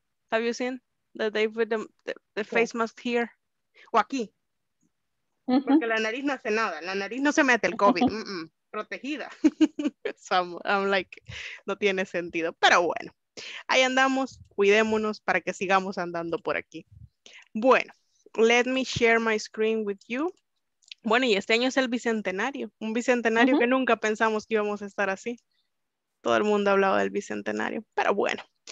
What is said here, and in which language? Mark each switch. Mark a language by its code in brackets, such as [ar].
[en] Have you seen that they put the face mask here? [es] O aquí. Porque la nariz no hace nada, la nariz no se mete el COVID, protegida. [en] So I'm like, [es] no tiene sentido, pero bueno, ahí andamos, cuidémonos para que sigamos andando por aquí. Bueno, [en] let me share my screen with you. [es] Bueno, y este año es el bicentenario, un bicentenario que nunca pensamos que íbamos a estar así. Todo el mundo ha hablado del bicentenario, pero bueno.